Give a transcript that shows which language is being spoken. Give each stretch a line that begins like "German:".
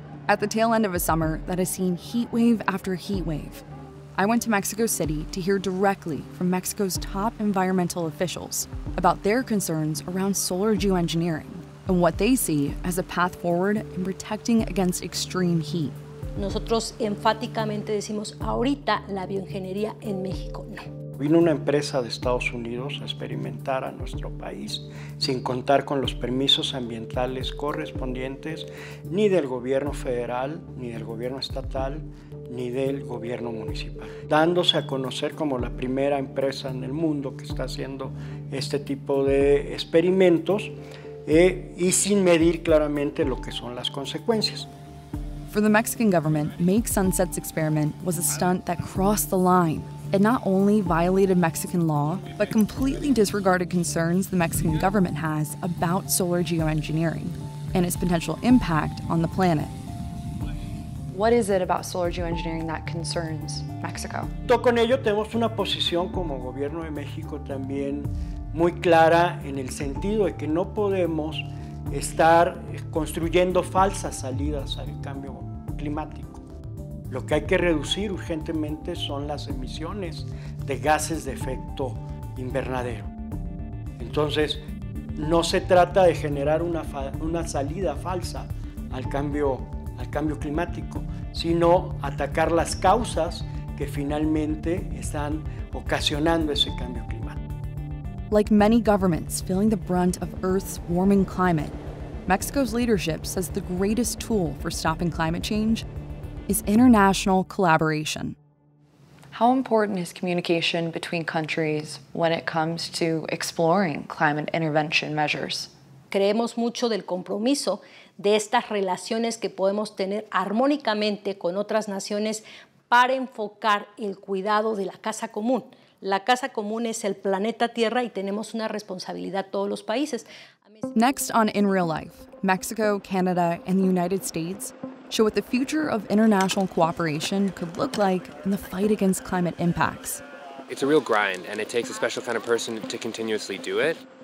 English: At the tail end of a summer that has seen heat wave after heat wave, I went to Mexico City to hear directly from Mexico's top environmental officials about their concerns around solar geoengineering and what they see as a path forward in protecting against extreme heat.
Spanish: Nosotros enfáticamente decimos ahorita la bioingeniería en México no. Vino una empresa de Estados Unidos a experimentar a nuestro país sin contar con los permisos ambientales correspondientes ni del gobierno federal, ni del gobierno estatal, ni del gobierno municipal. Dándose a conocer como la primera empresa en el mundo que está haciendo este tipo de experimentos y sin medir claramente lo que son las consecuencias.
English: For the Mexican government, Make Sunset's experiment was a stunt that crossed the line. It not only violated Mexican law, but completely disregarded concerns the Mexican government has about solar geoengineering and its potential impact on the planet. What is it about solar geoengineering that concerns Mexico?
Spanish: Con ello tenemos una posición como gobierno de México también muy clara en el sentido de que no podemos estar construyendo falsas salidas al cambio climático. Lo que hay que reducir urgentemente son las emisiones de gases de efecto invernadero. Entonces, no se trata de generar una salida falsa al cambio climático, sino atacar las causas que finalmente están ocasionando ese cambio climático.
English: Like many governments feeling the brunt of Earth's warming climate, Mexico's leadership says the greatest tool for stopping climate change is international collaboration. How important is communication between countries when it comes to exploring climate intervention measures?
Spanish: Creemos mucho del compromiso de estas relaciones que podemos tener armónicamente con otras naciones para enfocar el cuidado de la casa común. La casa común es el planeta Tierra y tenemos una responsabilidad todos los países.
English: Next on In Real Life, Mexico, Canada, and the United States show what the future of international cooperation could look like in the fight against climate impacts. It's a real grind, and it takes a special kind of person to continuously do it.